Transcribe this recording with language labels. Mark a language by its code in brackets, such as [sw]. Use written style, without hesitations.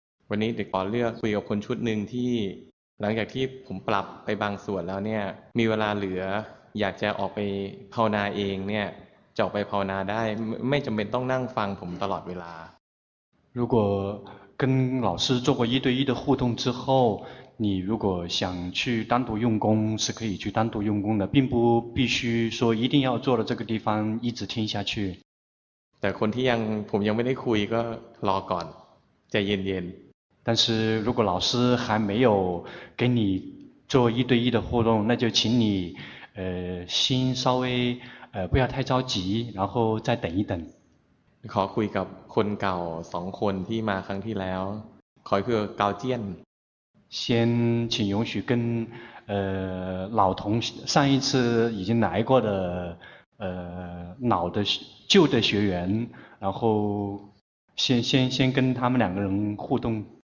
[th] วันนี้เดี๋ยวขอเลือกคุยกับคนชุดหนึ่งที่หลังจากที่ผมปรับไปบางส่วนแล้วเนี่ยมีเวลาเหลืออยากจะออกไปภาวนาเองเนี่ยจะออกไปภาวนาได้ไม่จำเป็นต้องนั่งฟังผมตลอดเวลา [zh] 如果跟老师做过一对一的互动之后你如果想去单独用功是可以去单独用功的并不必须说一定要坐到这个地方一直听下去 [th] แต่คนที่ยังผมยังไม่ได้คุยก็รอก่อนใจเย็น [zh] ๆ但是如果老师还没有给你做一对一的互动那就请你心稍微不要太着急然后再等一等 [th] ขอคุยกับคนเก่า2คนที่มาครั้งที่แล้วขอให้คือกาวเจี้ยน [zh] 先请允许跟老同上一次已经来过的老的旧的学员然后先跟他们两个人互动